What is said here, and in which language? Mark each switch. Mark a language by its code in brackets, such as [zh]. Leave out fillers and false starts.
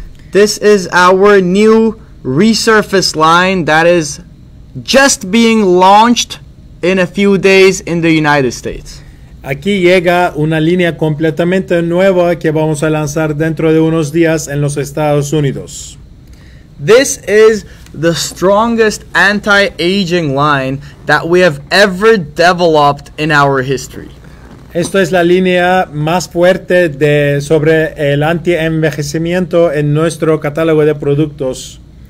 [en] This is our new resurface line that is just being launched in a few days in the United States. [es] Aquí llega una línea completamente nueva que vamos a lanzar dentro de unos días en los Estados Unidos. [en] This is the strongest anti-aging line that we have ever developed in our history. [es] Esto es la línea más fuerte de sobre el anti-envejecimiento en nuestro catálogo de productos.